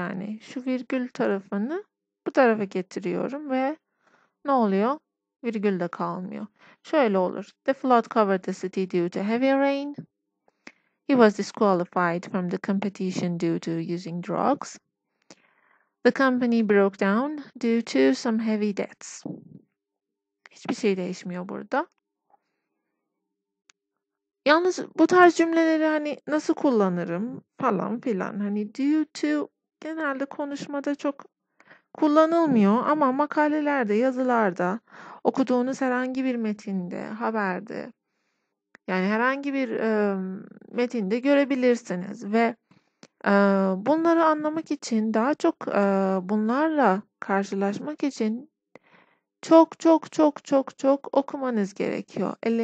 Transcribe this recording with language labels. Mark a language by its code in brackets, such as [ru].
[tr] Yani şu virgül tarafını bu tarafa getiriyorum ve ne oluyor? Virgül de kalmıyor. Şöyle olur. [en] The flood covered the city due to heavy rain. He was disqualified from the competition due to using drugs. The company broke down due to some heavy debts. [tr] Hiçbir şey değişmiyor burada. Yalnız bu tarz cümleleri hani nasıl kullanırım falan filan. Hani due to genelde konuşmada çok kullanılmıyor ama makalelerde, yazılarda, okuduğunuz herhangi bir metinde, haberde, yani herhangi bir metinde görebilirsiniz ve bunları anlamak için daha çok bunlarla karşılaşmak için çok çok çok çok çok okumanız gerekiyor.